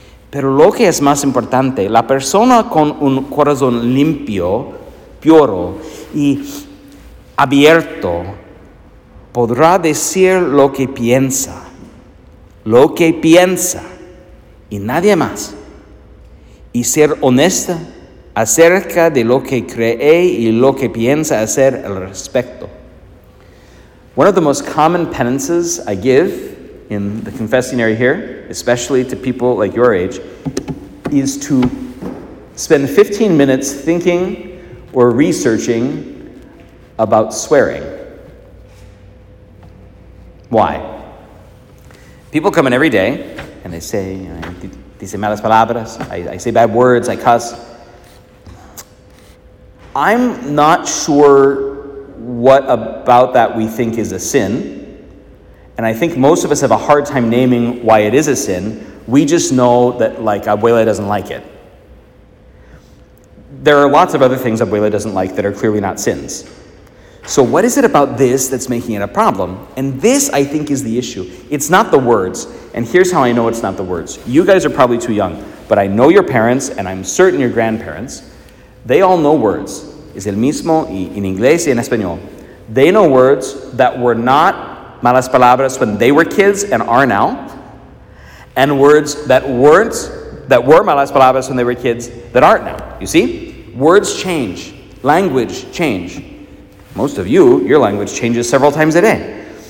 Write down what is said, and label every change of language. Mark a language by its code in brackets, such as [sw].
[es] Pero lo que es más importante, la persona con un corazón limpio, puro y abierto, podrá decir lo que piensa. Lo que piensa y nadie más. Y ser honesta acerca de lo que cree y lo que piensa hacer al respecto. [en] One of the most common penances I give in the confessionary here, especially to people like your age, is to spend 15 minutes thinking or researching about swearing. Why? People come in every day and they say, you know, [es] dice malas palabras, [en] I say bad words, I cuss. I'm not sure what about that we think is a sin. And I think most of us have a hard time naming why it is a sin. We just know that, like, Abuela doesn't like it. There are lots of other things Abuela doesn't like that are clearly not sins. So what is it about this that's making it a problem? And this, I think, is the issue. It's not the words. And here's how I know it's not the words. You guys are probably too young, but I know your parents, and I'm certain your grandparents. They all know words. [es] Es el mismo y en inglés y en español. [en] They know words that were not malas palabras when they were kids and are now, and words that were malas palabras when they were kids that aren't now. You see? Words change. Language change. Most of you, your language changes several times a day.